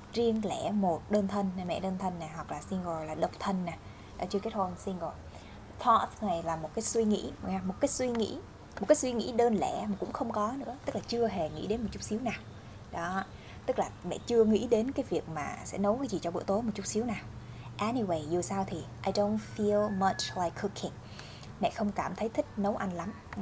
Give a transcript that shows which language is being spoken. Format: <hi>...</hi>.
<vi>Riêng lẻ, một, đơn thân, mẹ đơn thân nè, hoặc là single là độc thân nè, đã chưa kết hôn, single. Thought này là một cái suy nghĩ, một cái suy nghĩ đơn lẻ mà cũng không có nữa, tức là chưa hề nghĩ đến một chút xíu nào. Đó, tức là mẹ chưa nghĩ đến cái việc mà sẽ nấu cái gì cho bữa tối một chút xíu nào.</vi> <en>Anyway,</en> <vi>dù sao thì</vi> <en>I don't feel much like cooking.</en> <vi>Mẹ không cảm thấy thích nấu ăn lắm.</vi>